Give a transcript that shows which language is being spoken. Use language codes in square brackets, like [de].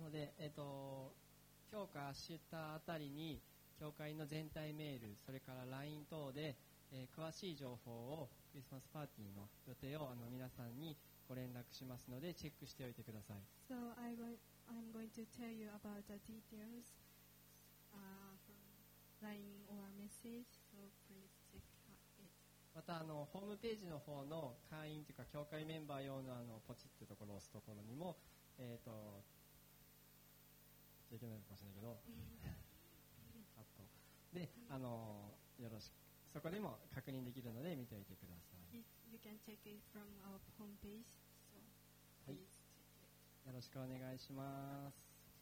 [ja] なので、今日か明日あたりに教会の全体メール、それから LINE 等で、詳しい情報を、クリスマスパーティーの予定を皆さんにご連絡しますので、チェックしておいてください。 [en] So I'm going to tell you about the details from LINE or message, so please check it. [ja] またホームページの方の会員というか教会メンバー用のポチってところを押すところにも、いけないかもしれないけど、あとで、よろしく、そこでも確認できるので見ておいてください。 [en] You can check it from our homepage, so please check it. [ja] はい、よろしくお願いします。